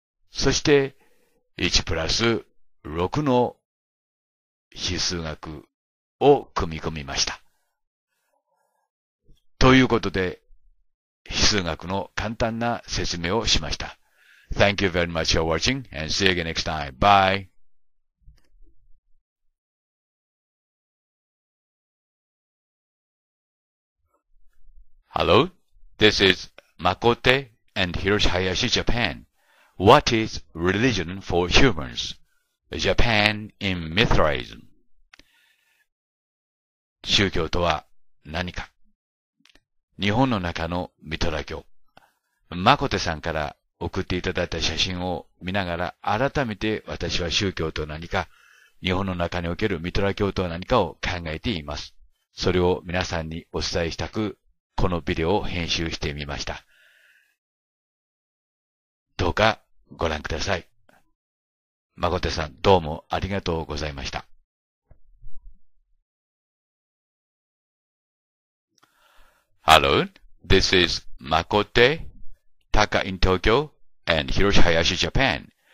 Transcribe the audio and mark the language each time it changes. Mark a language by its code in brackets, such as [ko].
[ja] そして1プラス6の非数学を組み込みました。ということで、非数学の簡単な説明をしました。 [en] Thank you very much for watching and see you again next time. Bye! Hello, this is Makote and Hiroshi Hayashi, Japan. What is religion for humans? Japan in Mithraism. [ja] 宗教とは何か。日本の中のミトラ教。マコテさんから送っていただいた写真を見ながら改めて私は宗教とは何か、日本の中におけるミトラ教とは何かを考えています。それを皆さんにお伝えしたく、このビデオを編集してみました。どうかご覧ください。マコテさんどうもありがとうございました。 [en] Hello, this is Makote Taka in Tokyo and Hiroshi Hayashi, Japan.